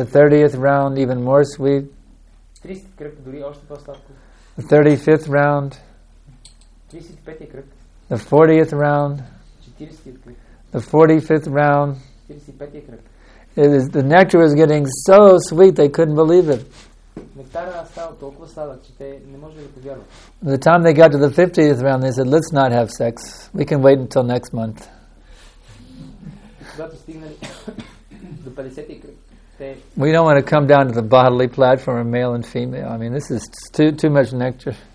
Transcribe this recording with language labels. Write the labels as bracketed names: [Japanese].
[English] The 30th round, even more sweet. [Bulgarian] 30th кръг, дори още по-сладко. [English] The 35th round. [Bulgarian] 35th кръг. [English] The 40th round. [Bulgarian] 40th кръг. [English] The 45th round. [Bulgarian] 45th кръг. [English] It is, the nectar was getting so sweet they couldn't believe it. [Bulgarian] Нектара става толкова сладък, че те не може да повярват. [English] The time they got to the 50th round, they said, let's not have sex. We can wait until next month. [Bulgarian] Когато стигнали до 50-ти кръг, [English] we don't want to come down to the bodily platform of male and female. I mean, this is too much nectar.